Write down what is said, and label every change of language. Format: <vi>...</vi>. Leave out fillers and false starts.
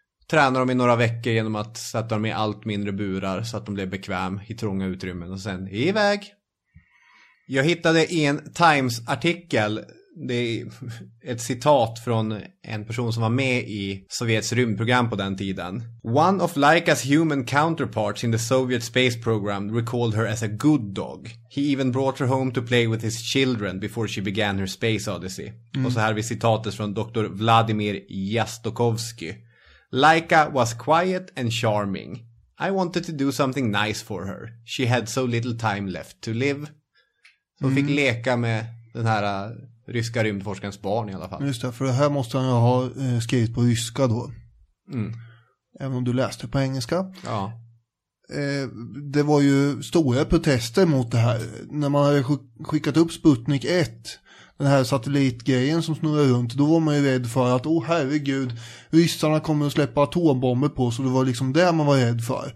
<sv>Tränade dem i några veckor genom att sätta dem i allt mindre burar så att de blev bekväm i trånga utrymmen och sen iväg. Jag hittade i en Times-artikel, det är ett citat från en person som var med i Sovjets rymdprogram på den tiden.</sv> <en>One of Laika's human counterparts in the Soviet space program recalled her as a good dog. He even brought her home to play with his children before she began her space odyssey. Mm.</en> <sv>Och så här har vi citatet från Dr. Vladimir Jastokovsky.</sv> <en>Laika was quiet and charming. I wanted to do something nice for her. She had so little time left to live.</en> <sv>Så hon fick leka med den här ryska rymdforskarens barn i alla fall. Just det, för det här måste han ju ha skrivit på ryska då. Mm. Även om du läste på engelska. Ja. Det var ju stora protester mot det här. När man hade skickat upp Sputnik 1, den här satellitgrejen som snurrar runt, då var man ju rädd för att, åh herregud, ryssarna kommer att släppa atombomber på, så det var liksom det man var rädd för.</sv>